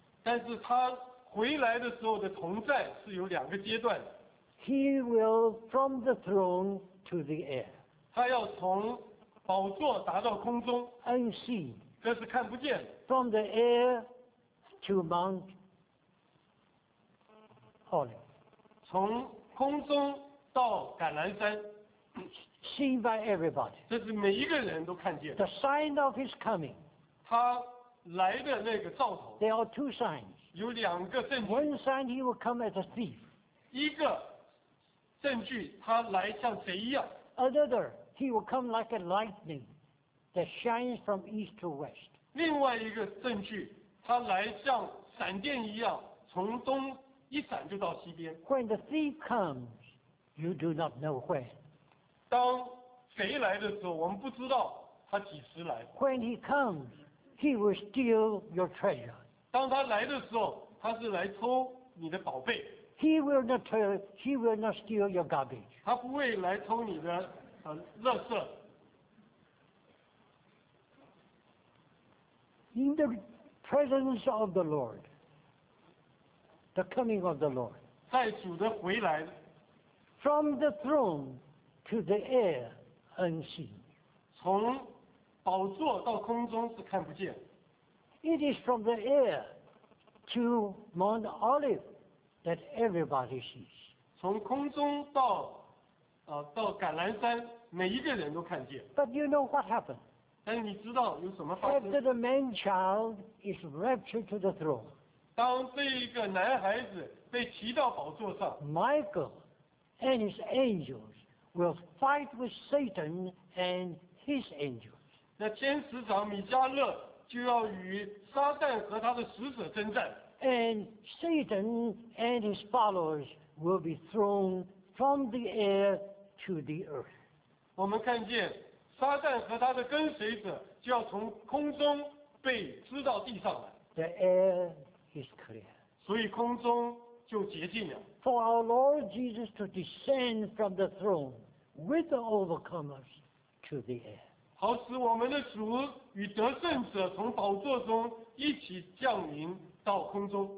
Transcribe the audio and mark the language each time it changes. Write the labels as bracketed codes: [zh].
[zh] 但是他回来的时候的同在是有两个阶段。 [en] He will from the throne to the air. [zh] 他要从宝座达到空中 [en] ，unseen， [zh] 这是看不见。 [en] From the air to Mount Olive， [zh] 从空中到橄榄山 [en] ，seen by everybody， [zh] 这是每一个人都看见。 [en] The sign of his coming， [zh] 他来的那个兆头。 [en] There are two signs， [zh] 有两个证据。 [en] One sign he will come as a thief， [zh] 一个证据他来像贼一样。 [en] Another。 He will come like a lightning that shines from east to west. [zh] 另外一个证据，他来像闪电一样，从东一闪就到西边。 [en] When the thief comes, you do not know when. [zh] 当贼来的时候，我们不知道他几时来。 [en] When he comes, he will steal your treasure. [zh] 当他来的时候，他是来偷你的宝贝。 [en] He will not steal your garbage. [zh] 他不会来偷你的。垃圾。 [en] In the presence of the Lord, the coming of the Lord. [zh] 在主的回来。 [en] From the throne to the air unseen. [zh] 从宝座到空中是看不见。 [en] It is from the air to Mount Olive that everybody sees. [zh] 从空中到到橄榄山。每一个人都看见。 [en] But you know what happened? [zh] 但是你知道有什么发生？ [en] After the man child is raptured to the throne. [zh] 当这一个男孩子被提到宝座上 [en] ，Michael and his angels will fight with Satan and his angels。 [zh] 那天使长米迦勒就要与撒旦和他的使者征战。 [en] And Satan and his followers will be thrown from the air to the earth。 [zh] 我们看见撒旦和他的跟随者就要从空中被掷到地上来。 [en] The air is clear。 [zh] 所以空中就洁净了。 [en] For our Lord Jesus to descend from the throne with the overcomers to the air。 [zh] 好使我们的主与得胜者从宝座中一起降临到空中。